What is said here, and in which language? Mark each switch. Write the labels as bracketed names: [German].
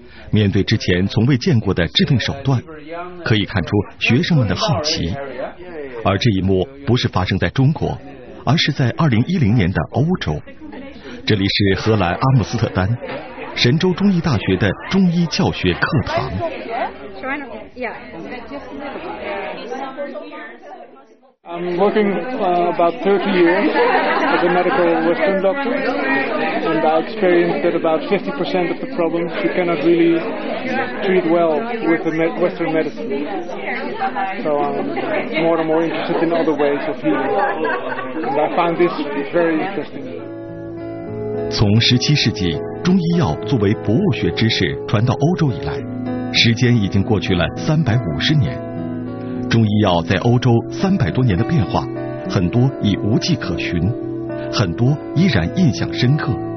[Chinese] 面对之前从未见过的治病手段，可以看出学生们的好奇。而这一幕不是发生在中国，而是在2010年的欧洲。这里是荷兰阿姆斯特丹神州中医大学的中医教学课堂。 [English] I'm working about 30 years as a medical Western doctor, and I experienced that about 50% of the problems you cannot really treat well with the Western medicine. So I'm more and more interested in other ways of healing, and I find this very interesting. [Chinese] 从17世纪中医药作为博物学知识传到欧洲以来，时间已经过去了350年。中医药在欧洲300多年的变化，很多已无迹可寻，很多依然印象深刻。